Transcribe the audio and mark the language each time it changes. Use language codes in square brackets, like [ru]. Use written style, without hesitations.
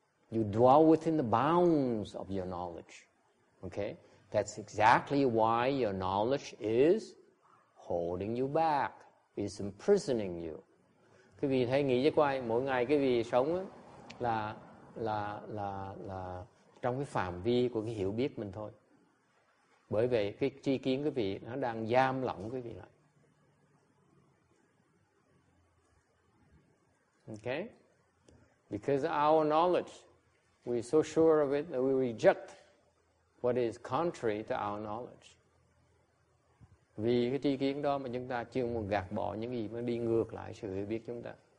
[en] You dwell within the bounds of your knowledge. Okay? That's exactly why your knowledge is holding you back. It's imprisoning you. [vi] Quý vị thấy nghĩ chứ coi, mỗi ngày quý vị sống là trong cái phạm vi của cái hiểu biết mình thôi. Bởi vậy cái tri kiến quý vị nó đang giam lỏng quý vị lại. [en] Okay? Because our knowledge, we're so sure of it that we reject what is contrary to our knowledge. [vi] Vì cái tri kiến đó mà chúng ta chưa muốn gạt bỏ những gì mà đi ngược lại sự hiểu biết chúng ta.